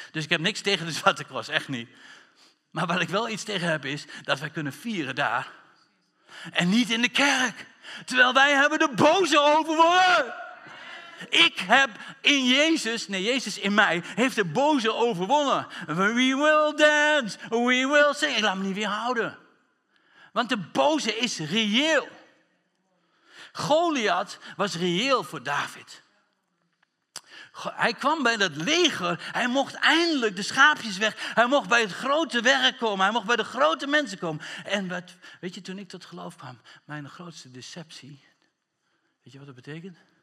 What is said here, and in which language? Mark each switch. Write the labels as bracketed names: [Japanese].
[Dutch] Dus ik heb niks tegen de Zwarte Cross, echt niet. Maar wat ik wel iets tegen heb is, dat wij kunnen vieren daar. En niet in de kerk. Terwijl wij hebben de boze overwonnen. Ik heb in Jezus, nee, Jezus in mij, heeft de boze overwonnen. [English] We will dance, we will sing. [Dutch] Ik laat me niet weer houden. Want de boze is reëel. Goliath was reëel voor David. Hij kwam bij dat leger. Hij mocht eindelijk de schaapjes weg. Hij mocht bij het grote werk komen. Hij mocht bij de grote mensen komen. En wat, weet je, toen ik tot geloof kwam, mijn grootste deceptie. Weet je wat dat betekent?